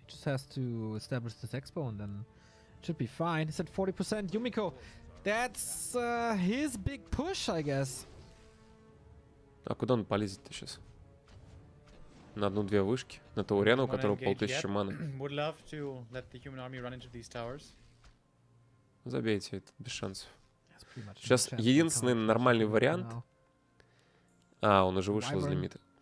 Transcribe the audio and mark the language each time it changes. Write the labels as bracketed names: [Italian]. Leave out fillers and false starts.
[English] He just has to establish this expo and then should be fine. It's at 40%. Yumiko, that's his big push, I guess. [Russian] А куда он полезет сейчас? на 1-2 вышки, на Таурена, у которого 1500 маны. [English] Would love to let the human army run into these towers. [Russian] Забейте, это без шансов. Сейчас единственный нормальный вариант. А, он уже вышел из лимита.